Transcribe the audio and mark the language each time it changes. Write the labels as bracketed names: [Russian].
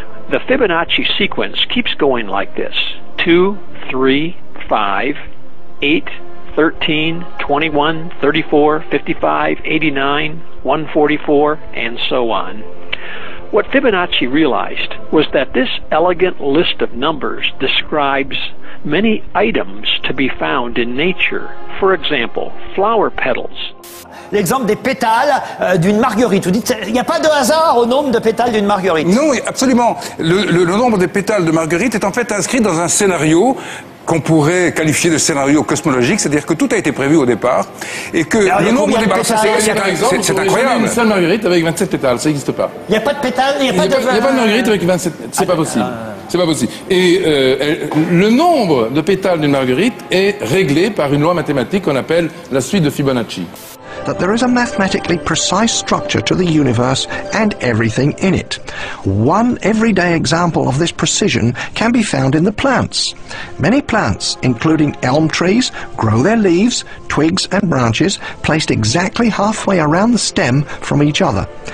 [English] The Fibonacci sequence keeps going like this. 2, 3, 5, 8, 13, 21, 34, 55, 89, 144, and so on. What Fibonacci realized was that this elegant list of numbers describes many items to be found in nature. For example, flower petals. [French] L'exemple des pétales d'une marguerite. Vous dites, il n'y a pas de hasard au nombre de pétales d'une marguerite. Non, absolument. Le nombre des pétales de marguerite est en fait inscrit dans un scénario qu'on pourrait qualifier de scénario cosmologique, c'est-à-dire que tout a été prévu au départ, et que le nombre de pétales, c'est incroyable. Une seule marguerite avec 27 pétales, ça n'existe pas. Il n'y a pas de pétales, il n'y a pas de marguerite avec 27 pétales, c'est pas possible. C'est pas possible. Et le nombre de pétales d'une marguerite est réglé par une loi mathématique qu'on appelle la suite de Fibonacci. [English] That there is a mathematically precise structure to the universe and everything in it. One everyday example of this precision can be found in the plants. Many plants, including elm trees, grow their leaves, twigs and branches placed exactly halfway around the stem from each other.